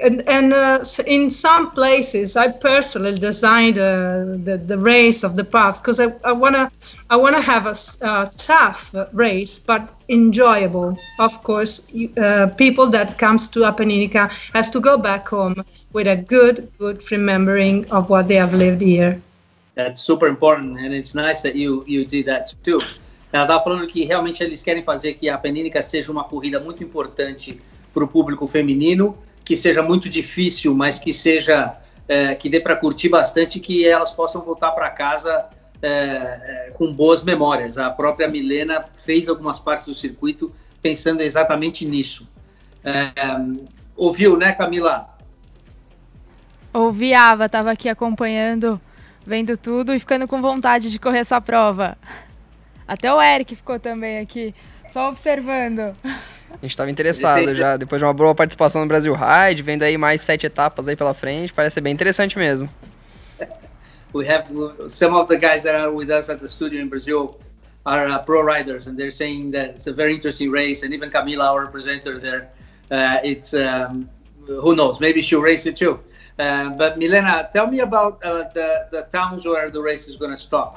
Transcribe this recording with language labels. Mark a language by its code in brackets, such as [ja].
[en] And in some places, I personally designed the race of the path because I wanna have a tough race, but enjoyable. Of course, people that comes to Apeninica has to go back home with a good remembering of what they have lived here. That's super important, and it's nice that you did that too. [pt] Ela estava falando que realmente eles querem fazer que a Apeninica seja uma corrida muito importante para o público feminino, que seja muito difícil, mas que seja que dê para curtir bastante, que elas possam voltar para casa com boas memórias. A própria Milena fez algumas partes do circuito pensando exatamente nisso. Ouviu, né, Camila? Ouvi, Ava, estava aqui acompanhando, vendo tudo e ficando com vontade de correr essa prova. Até o Eric ficou também aqui, só observando. A gente estava interessado já, depois de uma boa participação no Brasil Ride, vendo aí mais 7 etapas aí pela frente, parece ser bem interessante mesmo. [en] We have some of the guys that are with us at the studio in Brazil are pro riders, and they're saying that it's a very interesting race, and even Camila, our presenter there, it's, who knows, maybe she'll race it too. But Milena, tell me about the towns where the race is going to stop.